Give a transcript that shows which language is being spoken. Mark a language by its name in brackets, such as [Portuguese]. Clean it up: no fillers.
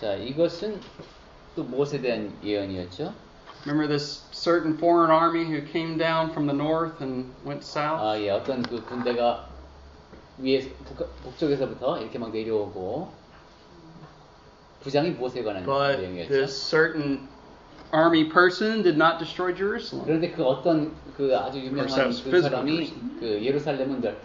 [Korean] 자, 이것은 또 무엇에 대한 예언이었죠? [English] Remember this certain foreign army who came down from the north and went south? [Korean] 아, 예, 어떤 그 군대가 위에서 북쪽에서부터 이렇게 막 내려오고 부장이 무엇에 관한 내용이었죠? [English] But this certain army person did not destroy Jerusalem. [Korean] 그런데 그 어떤 그 아주 유명한 그 사람이 그 예루살렘은